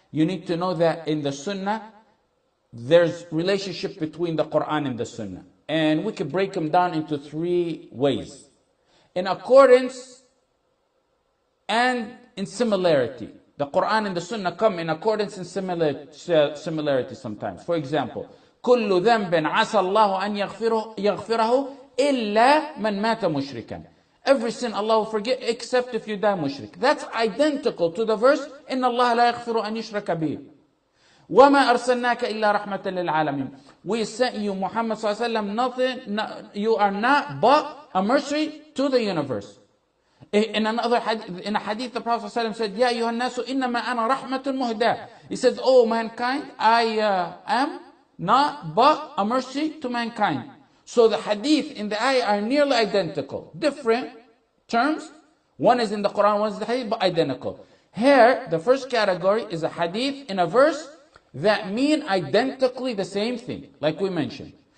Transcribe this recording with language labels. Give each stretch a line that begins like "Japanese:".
English: You need to know that in the Sunnah, there's relationship between the Quran and the Sunnah. And we could break them down into three ways. In accordance and in similarity. The Quran and the Sunnah come in accordance and similarity sometimes. For example,
Arabic: كُلُّ ذَنْبٍ عَسَى اللَّهُ أَنْ يَغْفِرَهُ إِلَّا مَنْ مَاتَ مُشْرِكًا.
English: Every sin Allah will forget except if you die mushrik. That's identical to the verse,
Arabic: إِنَّ اللَّهَ لَا يَغْفِرُ أَنْ يُشْرَكَ بِهِ. وَمَا أَرْسَلْنَاكَ إِلَّا رَحْمَةً لِلْعَالَمِينَ.
English: We sent you, Muhammad صلى الله عليه وسلم, nothing, no, you are not but a mercy to the universe. In a hadith, the Prophet صلى الله عليه وسلم said,
Arabic: يَا أَيُّهَا النَّاسُ إِنَّمَا أَنَا رَحْمَةٌ مُهْدَى.
English: He says, oh mankind, I am not but a mercy to mankind. So the hadith in the ayah are nearly identical. Different terms. One is in the Quran, one is in the hadith, but identical. Here, the first category is a hadith in a verse that mean identically the same thing, like we mentioned.